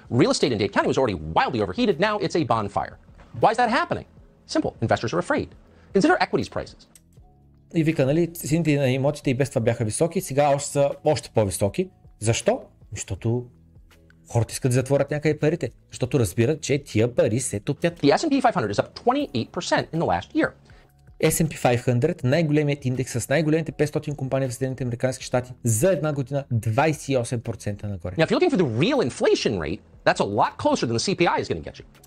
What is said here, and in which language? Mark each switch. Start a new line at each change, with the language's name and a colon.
English: Now, real estate in Dade County was already wildly overheated. Now it's a bonfire. Why is that happening? Simple. Investors are afraid. Consider equities prices.
Bulgarian: И вика, нали, цените на имотите и без това бяха високи, сега още са още по-високи. Защо? Защото хората искат да затворят някакви парите. Защото разбират, че тия пари се топят.
English: The S&P 500 is up 28% in the last year.
Bulgarian: S&P 500, най-големият индекс с най-големите 500 компании в Съединените американски щати, за една година 28% нагоре.
English: Now, if you're looking for the real inflation rate, that's a lot closer than the CPI is going to get you.